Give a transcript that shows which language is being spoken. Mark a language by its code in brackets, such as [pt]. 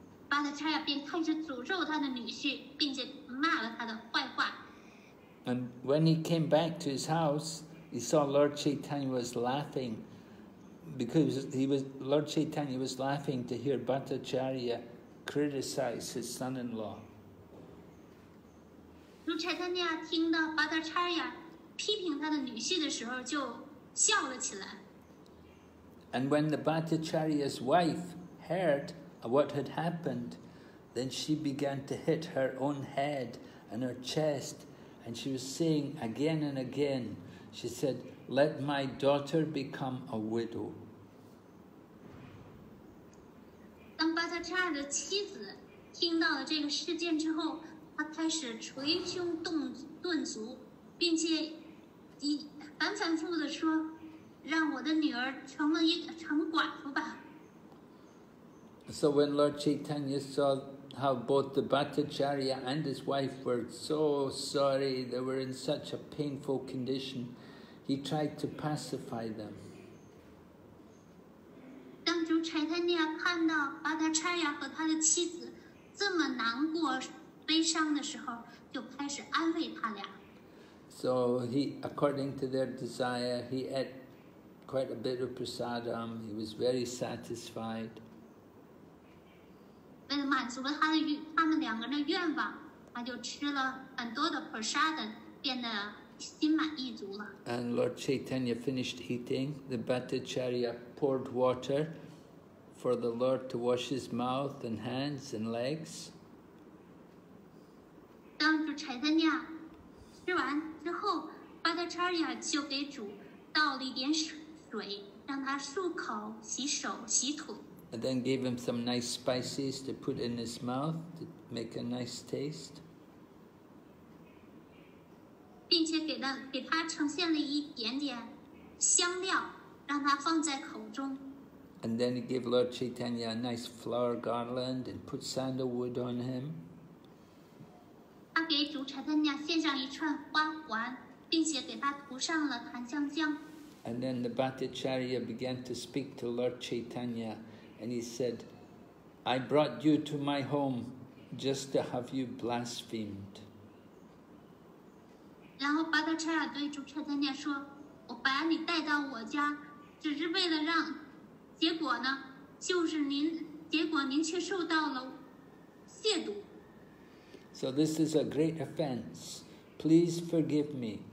[zh] Bhattacharya 便开始诅咒他的女婿，并且骂了他的坏话。 [en] And when he came back to his house, he saw Lord Chaitanya was laughing, because Lord Chaitanya was laughing to hear Bhattacharya criticize his son-in-law. [zh] 卢柴丹尼亚听到巴达查亚批评他的女婿的时候就笑了起来。 [en] And when the Bhattacharya's wife heard what had happened, then she began to hit her own head and her chest, and she was saying again and again, she said, let my daughter become a widow. [zh] 当巴达查亚的妻子听到了这个事件之后，他开始捶胸顿足，并且反反复复地说，让我的女儿成寡妇吧。 [en] So when Lord Chaitanya saw how both the Bhattacharya and his wife were so sorry, they were in such a painful condition, he tried to pacify them. [zh] 当主柴丹尼亚看到巴达查亚和他的妻子这么难过悲伤的时候，就开始安慰他俩。 [en] So he, according to their desire, he ate quite a bit of prasadam. He was very satisfied. [zh] 为了满足了他们两个人的愿望，他就吃了很多的 prasadam， 变得心满意足了。 [en] And Lord Chaitanya finished eating. The Bhattacharya poured water for the Lord to wash his mouth and hands and legs. [zh] 当主柴丹尼亚吃完之后，巴达查亚就给主倒了一点水，让他漱口、洗手、洗腿。 [en] And then gave him some nice spices to put in his mouth to make a nice taste. [zh] 并且给他呈现了一点点香料，让他放在口中。 [en] And then he gave Lord Chaitanya a nice flower garland and put sandalwood on him. [zh] 给主柴丹尼亚献上一串花环，并且给他涂上了檀香浆。 [en] And then the Bhattacharya began to speak to Lord Chaitanya, and he said, "I brought you to my home just to have you blasphemed." [zh] 然后巴达查亚对主柴丹尼亚说：“我把你带到我家，只是为了让……结果呢？就是您，结果您却受到了亵渎。” [en] So this is a great offense. Please forgive me.